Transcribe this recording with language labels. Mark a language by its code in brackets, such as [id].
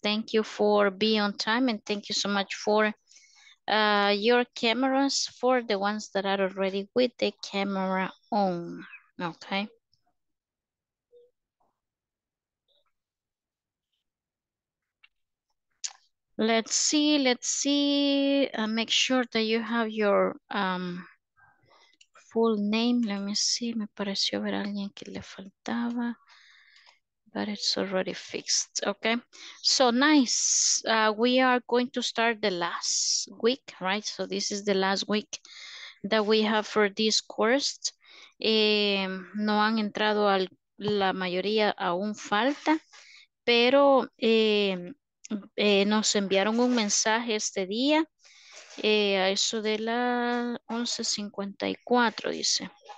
[en] Thank you for being on time and thank you so much for your cameras, for the ones that are already with the camera on. Okay. Let's see. Make sure that you have your full name. Let me see. [es] Me pareció ver a alguien que le faltaba. [en] But it's already fixed. Okay. So nice. We are going to start the last week, right? So this is the last week that we have for this course. [es] No han entrado al, la mayoría aún falta, pero nos enviaron un mensaje este día a eso de las 11:54, dice.